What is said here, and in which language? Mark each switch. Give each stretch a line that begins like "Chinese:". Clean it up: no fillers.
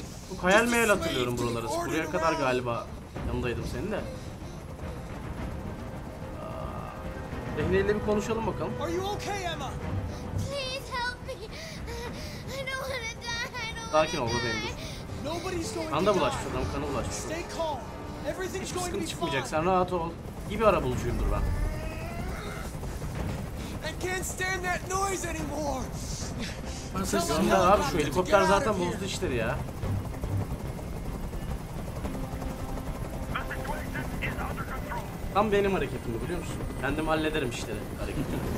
Turkish: Bu hayal meyal hatırlıyorum buraları. Buraya kadar galiba yanındaydım senin de. Rehineyle bir konuşalım bakalım.
English: Are you okay, Emma? Please help me. I don't wanna die. I don't wanna die.
Turkish: Sakin ol benim dur.
English: Nobody's going to die.
Turkish: Kan da bulaşmış adam, kanı bulaşmış.
English: Stay calm. Everything's going to be fine.
Turkish: Hiç sıkıntı çıkmayacak, sen rahat ol. İyi bir arabulucuyum dur ben.
English: I can't stand that noise anymore.
Turkish: Gönder abi şu helikopter zaten bozdu işleri ya. Tam benim hareketim bu biliyor musun? Kendim hallederim işleri hareketini.